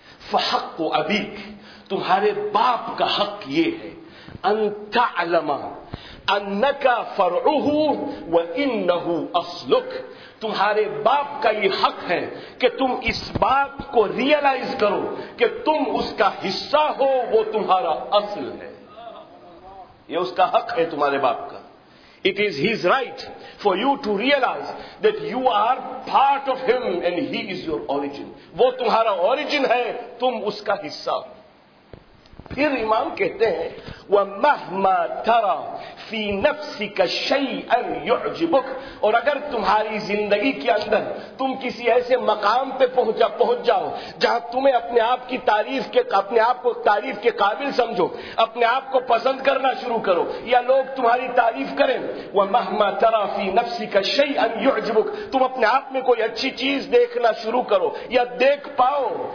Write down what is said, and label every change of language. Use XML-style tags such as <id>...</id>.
<ar>فحق ابيك</ar> <ur>تمہارے باپ کا حق یہ ہے</ur> <ar>ان تعلم انك فرعه وانه اصلك,</ar> <ur>تمہارے باپ کا یہ حق ہے کہ تم اس بات کو ریئلائز کرو کہ تم اس کا حصہ ہو, وہ تمہارا اصل ہے, یہ اس کا حق ہے تمہارے باپ کا.</ur> <en>It is his right for you to realize that you are part of him and he is your origin.</en> <ur>وہ تمہارا origin ہے, تم اس کا حصہ. پھر امام کہتے ہیں</ur> <ar>وَمَهْمَا تَرَى فِي نَفْسِكَ شَيْئًا يُعْجِبُكَ,</ar> <ur>اور اگر تمہاری زندگی کے اندر تم کسی ایسے مقام پہ پہنچ جاؤ جہاں تمہیں اپنے آپ کو تعریف کے قابل سمجھو, اپنے آپ کو پسند کرنا شروع کرو یا لوگ تمہاری تعریف کریں, وَمَهْمَا تَرَى فِي نَفْسِكَ شَيْئًا يُعْجِبُكَ, تم اپنے آپ میں کوئی اچھی چیز دیکھنا شروع کرو یا دیکھ پاؤ</ur>